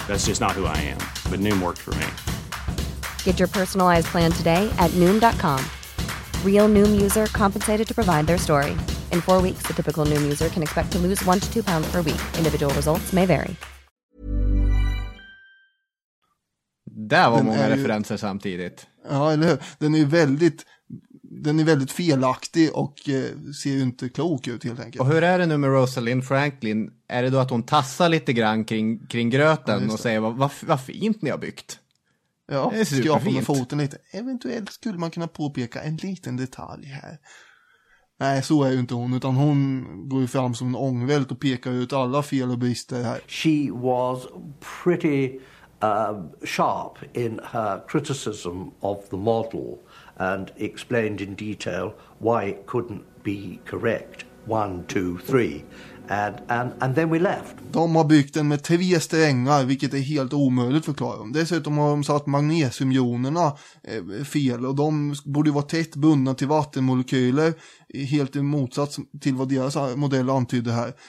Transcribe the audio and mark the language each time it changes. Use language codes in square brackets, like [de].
[en] That's just not who I am. But Noom worked for me. Get your personalized plan today at Noom.com. Real Noom user compensated to provide their story. In 4 weeks, the typical Noom user can expect to lose 1 to 2 pounds per week. Individual results may vary. [sv] Där var den många referenser ju, samtidigt. Ja, eller hur? Den är väldigt felaktig och ser ju inte klok ut helt enkelt. Och hur är det nu med Rosalind Franklin? Är det då att hon tassar lite grann kring gröten, ja, och säger vad fint ni har byggt? Ja, skrapa med foten lite. Eventuellt skulle man kunna påpeka en liten detalj här. Nej, så är ju inte hon, utan hon går ju fram som en ångvält och pekar ut alla fel och brister här. [en] She was pretty sharp in her criticism of the model and explained in detail why it couldn't be correct. 1, 2, 3. And then we left. [sv] De har byggt den med 3 strängar, vilket är helt omöjligt förklara dem. Dessutom har de satt magnesiumjonerna fel och de borde vara tätt bundna till vattenmolekyler, helt i motsats till vad deras modell antydde här.